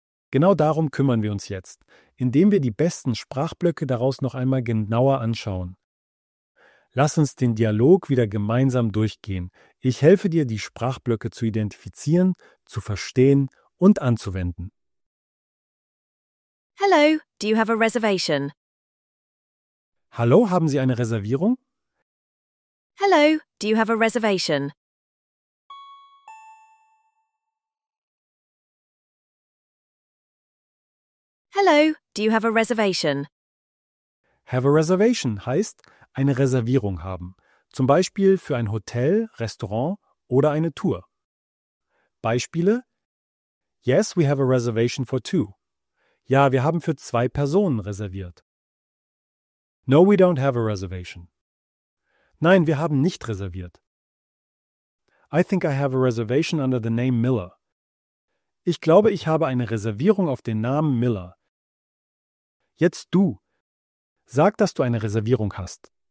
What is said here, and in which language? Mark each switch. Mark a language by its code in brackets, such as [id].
[de] Genau darum kümmern wir uns jetzt, indem wir die besten Sprachblöcke daraus noch einmal genauer anschauen. Lass uns den Dialog wieder gemeinsam durchgehen. Ich helfe dir, die Sprachblöcke zu identifizieren, zu verstehen und anzuwenden. [en] Hello, do you have a reservation? [de] Hallo, haben Sie eine Reservierung? [en] Hello, do you have a reservation? Hello, do you have a reservation? [de] Have a reservation heißt eine Reservierung haben, zum Beispiel für ein Hotel, Restaurant oder eine Tour. [en] Beispiele: Yes, we have a reservation for two. [de] Ja, wir haben für zwei Personen reserviert. [en] No, we don't have a reservation. [de] Nein, wir haben nicht reserviert. [en] I think I have a reservation under the name Miller. [de] Ich glaube, ich habe eine Reservierung auf den Namen Miller. Jetzt du. Sag, dass du eine Reservierung hast.